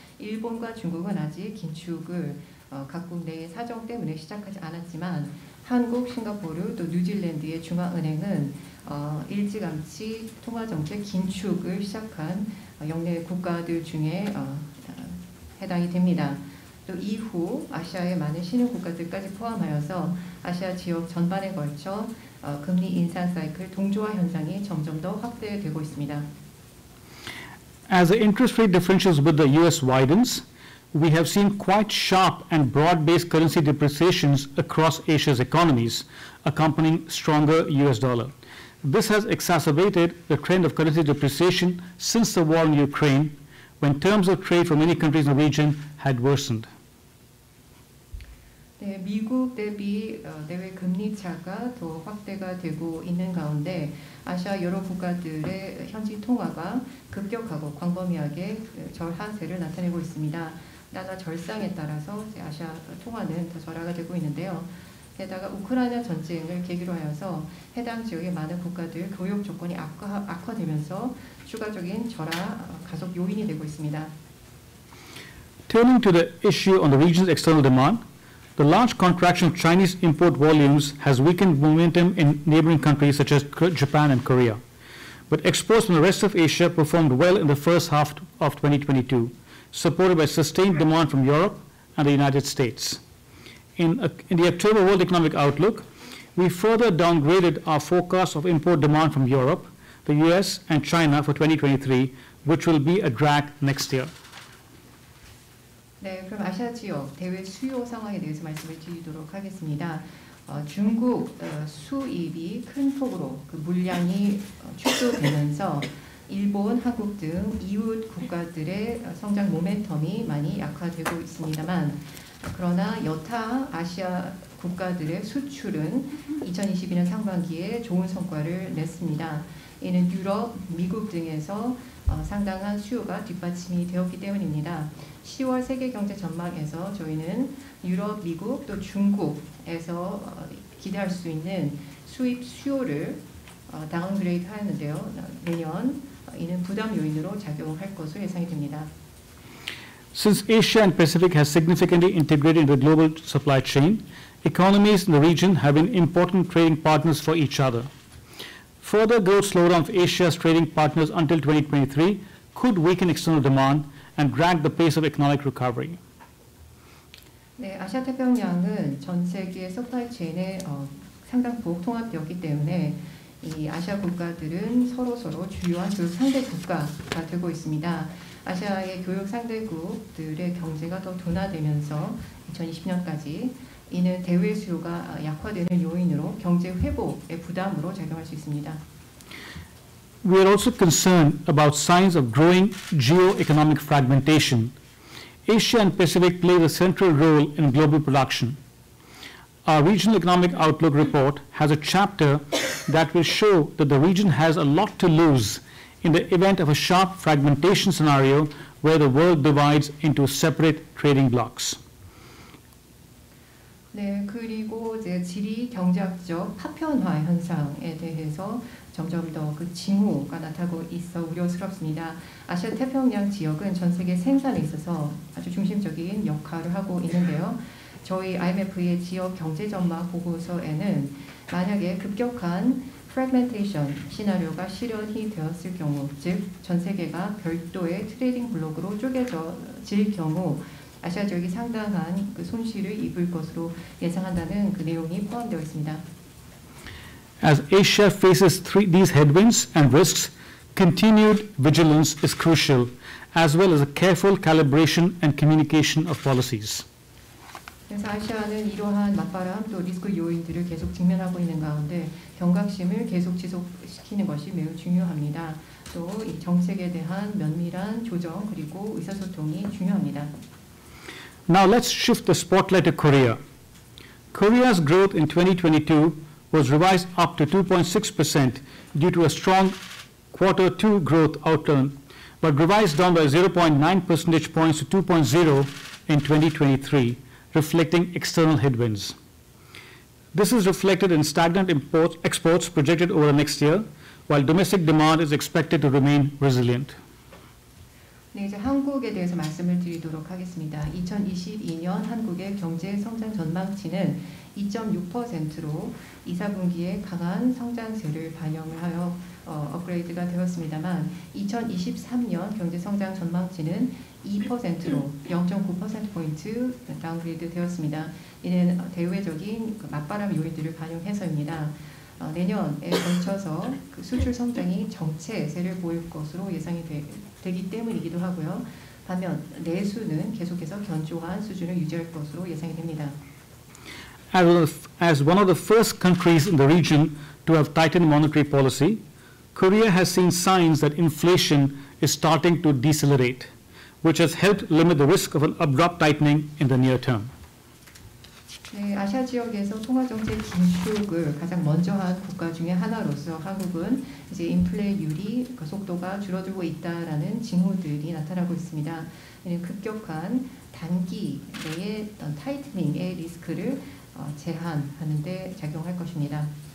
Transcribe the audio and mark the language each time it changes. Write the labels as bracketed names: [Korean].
[Korean] 일본과 중국은 아직 긴축을 각국 내 사정 때문에 시작하지 않았지만 한국, 싱가포르 또 뉴질랜드의 중앙은행은 일찌감치 통화 정책 긴축을 시작한 역내 국가들 중에 해당이 됩니다. 또 이후 아시아의 많은 신흥 국가들까지 포함하여서 아시아 지역 전반에 걸쳐 금리 인상 사이클 동조화 현상이 점점 더 확대되고 있습니다. [English] As the interest rate differentials with the US widens, we have seen quite sharp and broad-based currency depreciations across Asia's economies, accompanying stronger US dollar. This has exacerbated the trend of currency depreciation since the war in Ukraine, when terms of trade for many countries in the region had worsened. [Korean] 네, 미국 대비 내외 금리 차가 더 확대가 되고 있는 가운데 아시아 여러 국가들의 현지 통화가 급격하고 광범위하게 절하세를 나타내고 있습니다. 나라 절상에 따라서 아시아 통화는 더 절하가 되고 있는데요. 게다가 우크라이나 전쟁을 계기로 하여서 해당 지역의 많은 국가들 교역 조건이 악화되면서 추가적인 절하 가속 요인이 되고 있습니다. [English] Turning to the issue on the region's external demand, the large contraction of Chinese import volumes has weakened momentum in neighboring countries such as Japan and Korea. But exports from the rest of Asia performed well in the first half of 2022, supported by sustained demand from Europe and the United States. In the October World Economic Outlook, we further downgraded our forecast of import demand from Europe, the US, and China for 2023, which will be a drag next year. [Korean] 네, 그럼 아시아 지역 대외 수요 상황에 대해서 말씀을 드리도록 하겠습니다. 중국 수입이 큰 폭으로 그 물량이 축소되면서 일본, 한국 등 이웃 국가들의 성장 모멘텀이 많이 약화되고 있습니다만 그러나 여타 아시아 국가들의 수출은 2022년 상반기에 좋은 성과를 냈습니다. 이는 유럽, 미국 등에서 상당한 수요가 뒷받침이 되었기 때문입니다. 10월 세계 경제 전망에서 저희는 유럽, 미국 또 중국에서 기대할 수 있는 수입 수요를 다운그레이드 하였는데요. 내년 이는 부담 요인으로 작용할 것으로 예상이 됩니다. [English] Since Asia and Pacific has significantly integrated into the global supply chain, economies in the region have been important trading partners for each other. Further growth slowdown of Asia's trading partners until 2023 could weaken external demand and drag the pace of economic recovery. [Korean] 네, 아시아 태평양은 전 세계 서플라이 체인의 상당 복통합되었기 때문에 이 아시아 국가들은 서로 서로 주요한 교역 상대 국가가 되고 있습니다. 아시아의 교역 상대국들의 경제가 더 둔화되면서 2020년까지 이는 대외 수요가 약화되는 요인으로 경제 회복의 부담으로 작용할 수 있습니다. [English] We are also concerned about signs of growing geo-economic fragmentation. Asia and Pacific play a central role in global production. Our Regional Economic Outlook report has a chapter that will show that the region has a lot to lose in the event of a sharp fragmentation scenario where the world divides into separate trading blocks. [Korean] 네, 그리고 이제 지리 경제학적 파편화 현상에 대해서 점점 더 그 징후가 나타나고 있어 우려스럽습니다. 아시아 태평양 지역은 전 세계 생산에 있어서 아주 중심적인 역할을 하고 있는데요. 저희 IMF의 지역 경제 전망 보고서에는 만약에 급격한 프래그멘테이션 시나리오가 실현이 되었을 경우, 즉 전 세계가 별도의 트레이딩 블록으로 쪼개질 경우 아시아 지역이 상당한 그 손실을 입을 것으로 예상한다는 그 내용이 포함되어 있습니다. [English] As Asia faces these headwinds and risks, continued vigilance is crucial, as well as a careful calibration and communication of policies. [Korean] 그래서 아시아는 이러한 맞바람 또 리스크 요인들을 계속 직면하고 있는 가운데 경각심을 계속 지속시키는 것이 매우 중요합니다. 또 이 정책에 대한 면밀한 조정 그리고 의사소통이 중요합니다. [English] Now let's shift the spotlight to Korea. Korea's growth in 2022 was revised up to 2.6% due to a strong quarter two growth outturn, but revised down by 0.9 percentage points to 2.0 in 2023, reflecting external headwinds. This is reflected in stagnant exports projected over the next year, while domestic demand is expected to remain resilient. [Korean] 네, 이제 한국에 대해서 말씀을 드리도록 하겠습니다. 2022년 한국의 경제 성장 전망치는 2.6%로 2, 4분기에 강한 성장세를 반영을 하여 업그레이드가 되었습니다만 2023년 경제 성장 전망치는 2%로 0.9%포인트 다운그레이드 되었습니다. 이는 대외적인 맞바람 요인들을 반영해서입니다. 내년에 걸쳐서 그 수출 성장이 정체세를 보일 것으로 예상이 되기 때문이기도 하고요. 반면 내수는 계속해서 견조한 수준을 유지할 것으로 예상이 됩니다. [English] As one of the first countries in the region to have tightened monetary policy, Korea has seen signs that inflation is starting to decelerate, which has helped limit the risk of an abrupt tightening in the near term. [Korean] 네, 아시아 지역에서 통화 정책 긴축을 가장 먼저 한 국가 중에 하나로서 한국은 이제 인플레이율이 속도가 줄어들고 있다라는 징후들이 나타나고 있습니다. 급격한 단기 내에 어떤 타이트닝의 리스크를 제한하는 데 작용할 것입니다.